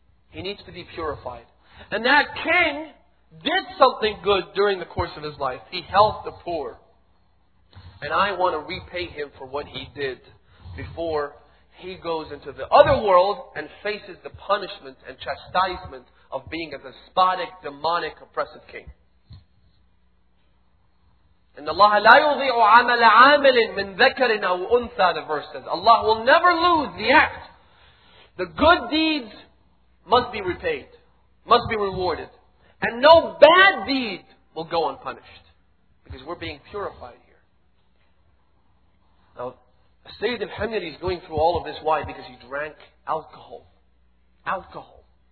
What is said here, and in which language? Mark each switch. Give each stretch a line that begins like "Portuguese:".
English: He needs to be purified. And that king did something good during the course of his life. He helped the poor. And I want to repay him for what he did before he goes into the other world and faces the punishment and chastisement of being a despotic, demonic, oppressive king.
Arabic: إن الله لا يضيع عمل عامل من ذكر أو أنثى,
English: the verse says. Allah will never lose the act. The good deeds must be repaid, must be rewarded. And no bad deed will go unpunished, because we're being purified here. Now, Sayyid al-Hamiri is going through all of this. Why? Because he drank alcohol. Alcohol.